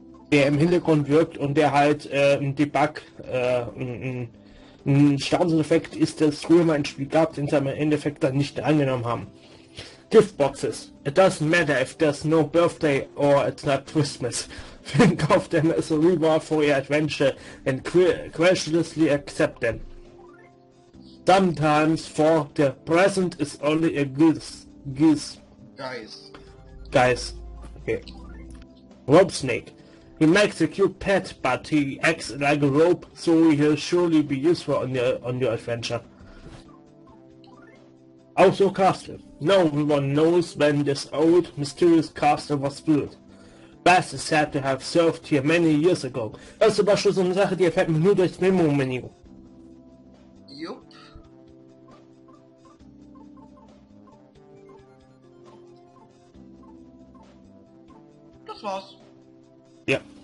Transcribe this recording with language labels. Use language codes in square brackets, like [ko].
[de] Der im Hintergrund wirkt und der halt ein Debug, ein Statuseffekt ist, das früher mal ein Spiel gab, den sie im Endeffekt dann nicht angenommen haben. [en] Giftboxes. It doesn't matter if there's no birthday or it's not Christmas. Think of them as a reward for your adventure and graciously accept them. Sometimes for the present is only a geese. Guys. Okay. Rope snake. He makes a cute pet, but he acts like a rope, so he'll surely be useful on your adventure. Also castle. No one knows when this old mysterious castle was built. Bass is said to have served here many years ago. [de] Das ist aber schon so eine Sache, die erfährt man nur durchs Memo-Menü. Jupp. Das war's. Ja.